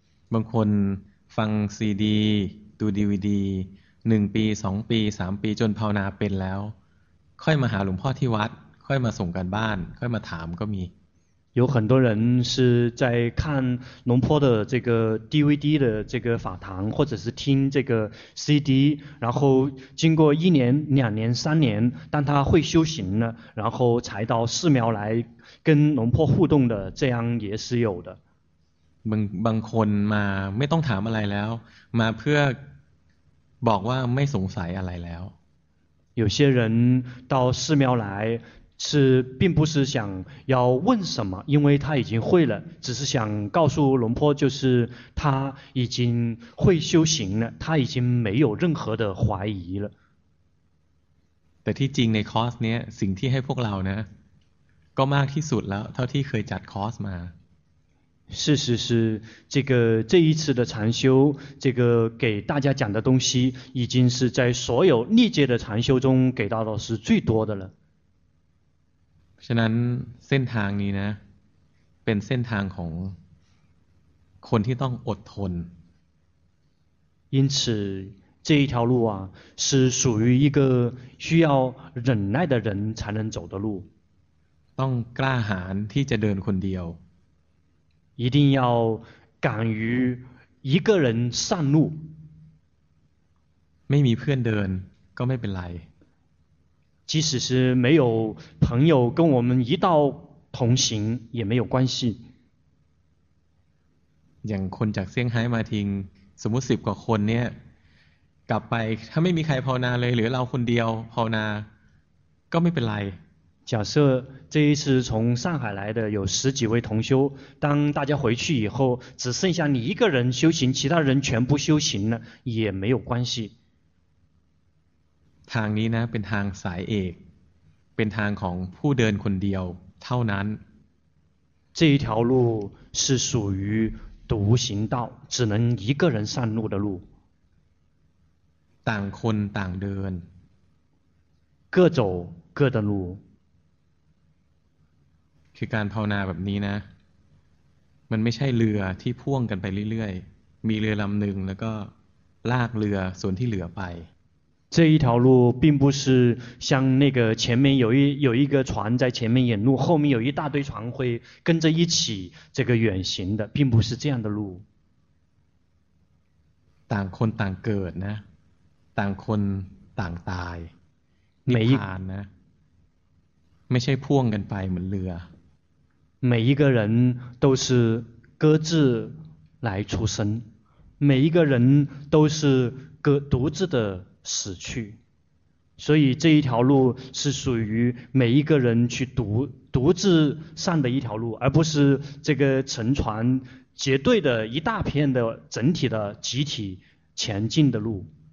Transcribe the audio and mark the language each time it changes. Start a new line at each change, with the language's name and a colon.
Thai: บางคนฟัง CD ดู DVD 1ปี2ปี3ปีจนภาวนาเป็นแล้วค่อยมาหาหลวงพ่อที่วัดค่อยมาส่งการบ้านค่อยมาถามก็มี
Chinese: 有很多人是在看龙坡的这个 DVD 的这个法堂或者是听这个 CD 然后经过一年两年三年当他会修行了然后才到寺庙来跟龙坡互动的这样也是有的
Thai: บางคนมาไม่ต้องถามอะไรแล้วมาเพื่อบอกว่าไม่สงสัยอะไรแล้ว
Chinese: 有些人到寺庙来是并不是想要问什么因为他已经会了只是想告诉龙坡就是他已经会修行了他已经没有任何的怀疑了
Thai: แต่ที่จริงในคอร์สเนี้ยสิ่งที่ให้พวกเรานะก็มากที่สุดแล้วเท่าที่เคยจัดคอร์สมา
Chinese: 是是是这个这一次的禅修这个给大家讲的东西已经是在所有历届的禅修中给到的是最多的了
Thai: ฉะนั้นเส้นทางนี้นะเป็นเส้นทางของคนที่ต้องอดทน
Chinese: 因此这一条路啊是属于一个需要忍耐的人才能走的路
Thai: ต้องกล้าหาญที่จะเดินคนเดียว
Chinese: 一定要敢于一个人上路
Thai: ไม่มีเพื่อนเดินก็ไม่เป็นไร
Chinese: 即使是没有朋友跟我们一道同行也没有关系
Thai: อย่างคนจากเซี่ยงไฮ้มาทิงสมมุติ10กว่าคนเนี่ยกลับไปถ้าไม่มีใครภาวนาเลยหรือเราคนเดียวภาวนาก็ไม่เป็นไร
Chinese: 假设这一次从上海来的有十几位同修当大家回去以后只剩下你一个人修行其他人全部修行了也没有关系
Thai: ทางนี้นะเป็นทางสายเอกเป็นทางของผู้เดินคนเดียวเท่านั้น
Chinese: 这一条路是属于独行道，只能一个人上路的路。
Thai: ต่างคนต่างเดิน，
Chinese: 各走各的路。
Thai: คือการภาวนาแบบนี้นะมันไม่ใช่เรือที่พ่วงกันไปเรื่อยๆมีเรือลำหนึ่งแล้วก็ลากเรือส่วนที่เหลือไป
Chinese: 这一条路并不是像那个前面有一个船在前面引路，后面有一大堆船会跟着一起这个远行的，并不是这样的路。
Thai: ต่างคนต่างเกิดนะต่างคนต่างตาย นิ พพานนะไม่ใช่พ่วงกันไปเหมือนเรือ
Chinese: 每一个人都是各自来出生，每一个人都是各独自的死去，所以这一条路是属于每一个人去独自上的一条路，而不是这个乘船结队的一大片的整体的集体前进的路。